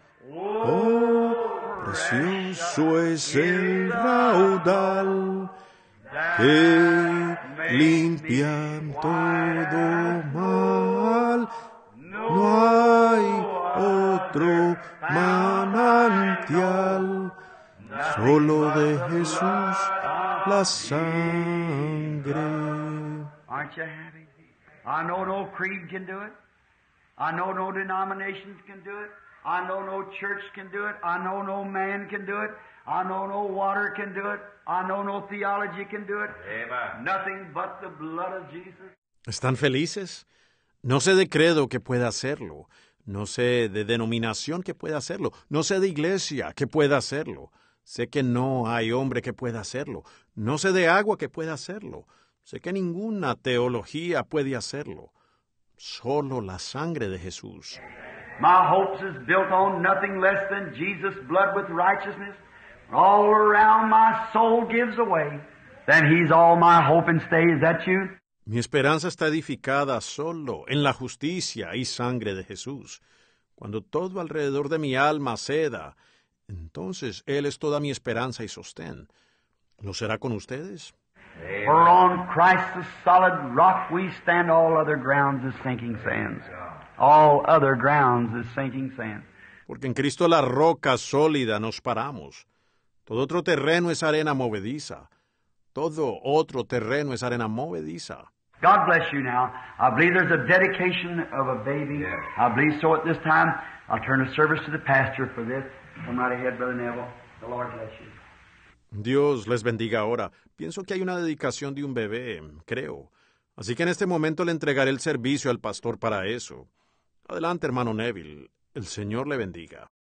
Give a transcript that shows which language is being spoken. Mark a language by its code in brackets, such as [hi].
[es] Oh, precioso es el raudal que limpia todo mal. No hay otro manantial, solo de Jesús la sangre. [en] Aren't you happy? I know no creed can do it. I know no denominations can do it. I know no church can do it. I know no man can do it. I know no water can do it. I know no theology can do it. Amen. Nothing but the blood of Jesus. [es] ¿Están felices? No sé de credo que pueda hacerlo. No sé de denominación que pueda hacerlo. No sé de iglesia que pueda hacerlo. Sé que no hay hombre que pueda hacerlo. No sé de agua que pueda hacerlo. Sé que ninguna teología puede hacerlo. Solo la sangre de Jesús. [en] My hopes is built on nothing less than Jesus' blood with righteousness. All around my soul gives away. Then he's all my hope and stay. Is that you? [es] Mi esperanza está edificada solo en la justicia y sangre de Jesús. Cuando todo alrededor de mi alma ceda, entonces Él es toda mi esperanza y sostén. ¿Lo será con ustedes? [en] For on Christ the solid rock we stand, all other grounds is sinking sands. All other grounds is sinking sands. [es] Porque en Cristo la roca sólida nos paramos. Todo otro terreno es arena movediza. Todo otro terreno es arena movediza. [en] God bless you now. I believe there's a dedication of a baby. Yeah. I believe so at this time. I'll turn the service to the pastor for this. Come right ahead, Brother Neville. The Lord bless you. [es] Dios les bendiga ahora. Pienso que hay una dedicación de un bebé, creo. Así que en este momento le entregaré el servicio al pastor para eso. Adelante, hermano Neville. El Señor le bendiga.